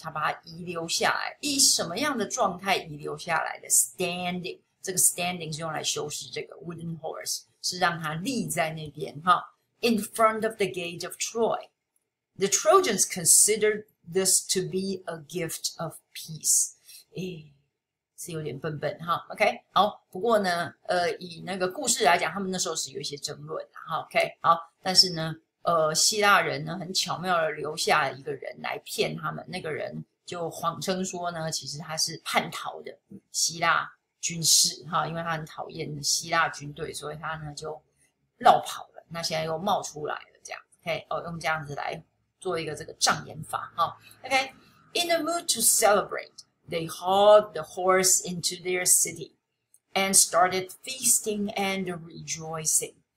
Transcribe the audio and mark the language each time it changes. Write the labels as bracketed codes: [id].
[zh] 他把它遗留下来，以什么样的状态遗留下来的 ？ [en] Standing. [zh] 这个 standing 是用来修饰这个 wooden horse， 是让它立在那边，哈。 [en] In front of the gate of Troy. The Trojans considered this to be a gift of peace. [zh] 是有点笨笨哈 ，OK， 好，不过呢，以那个故事来讲，他们那时候是有一些争论，哈 ，OK， 好，但是呢，希腊人呢很巧妙的留下一个人来骗他们，那个人就谎称说呢，其实他是叛逃的希腊军士哈，因为他很讨厌希腊军队，所以他呢就绕跑了。那现在又冒出来了，这样，OK，用这样子来做一个这个障眼法哈。 [en] OK，in the mood to celebrate, they hauled the horse into their city and started feasting and rejoicing.